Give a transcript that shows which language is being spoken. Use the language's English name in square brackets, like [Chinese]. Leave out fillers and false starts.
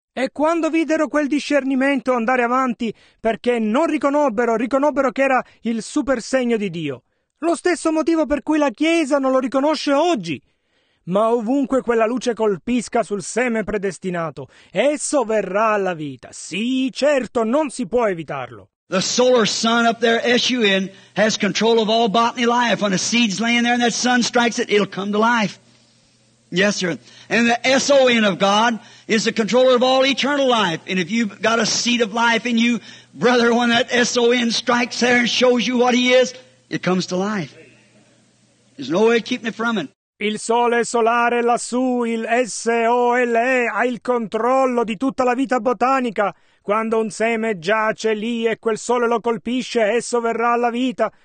[Italian] E quando videro quel discernimento andare avanti, perché non riconobbero che era il super segno di Dio. Lo stesso motivo per cui la Chiesa non lo riconosce oggi. Ma ovunque quella luce colpisca sul seme predestinato, esso verrà alla vita. Sì, certo, non si può evitarlo. [English] The solar sun up there, S-U-N, has control of all botany life. When a seed's laying there and that sun strikes it, it'll come to life. Yes, sir. And the S-O-N of God is the controller of all eternal life. And if you've got a seed of life in you, brother, when that S-O-N strikes there and shows you what he is, it comes to life. There's no way of keeping it from it. [Italian] Il sole solare lassù, il S-O-L-E, ha il controllo di tutta la vita botanica. Quando un seme giace lì e quel sole lo colpisce, esso verrà alla vita.